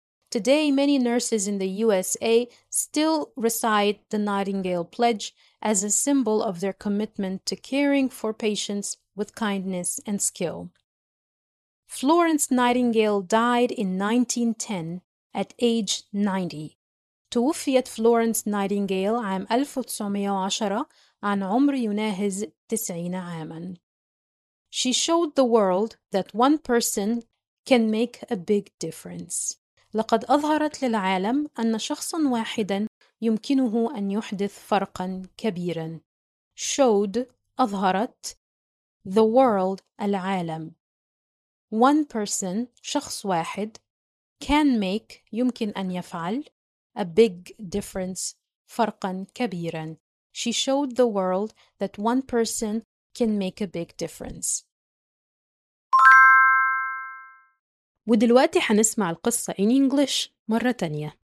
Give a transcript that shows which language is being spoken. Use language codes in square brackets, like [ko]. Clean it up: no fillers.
[en] Today, many nurses in the USA still recite the Nightingale Pledge as a symbol of their commitment to caring for patients with kindness and skill. Florence Nightingale died in 1910 at age 90. [ar] توفيت Florence Nightingale عام 1910 عن عمر يناهز 90 عاما. [en] She showed the world that one person can make a big difference. [ar] لقد أظهرت للعالم أن شخصاً واحداً يمكنه أن يحدث فرقاً كبيراً. [en] Showed, [ar] أظهرت, [en] the world, [ar] العالم. [en] One person, [ar] شخص واحد, [en] can make, [ar] يمكن أن يفعل, [en] a big difference, [ar] فرقاً كبيراً. [en] She showed the world that one person can make a big difference. [ar] ودلوقتي حنسمع القصة [en] in English [ar] مرة تانية.